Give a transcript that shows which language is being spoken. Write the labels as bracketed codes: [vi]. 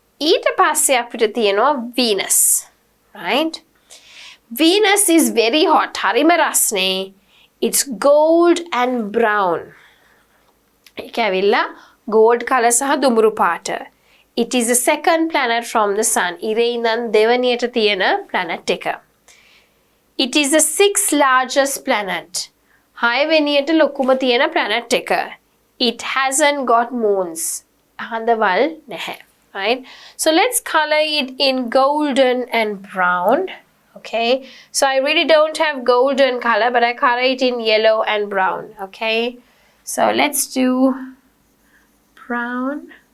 [si] ඊට පස්සේ අපිට තියෙනවා Venus. [en] Right. Venus is very hot. [si] හරිම රස්නේ. [en] It's gold and brown. [si] ඒක ඇවිල්ලා gold color සහ දුඹුරු පාට. [en] It is the second planet from the sun. [si] ඉරේ ඉඳන් දෙවැනියට තියෙන planet එක. [en] It is the sixth largest planet. [si] හය වෙනියට ලොකුම තියෙන planet එක. [en] It hasn't got moons. [si] හඳවල් නැහැ. [en] Right? So let's color it in golden and brown. Okay? So I really don't have golden color, but I color it in yellow and brown. Okay? So let's do brown.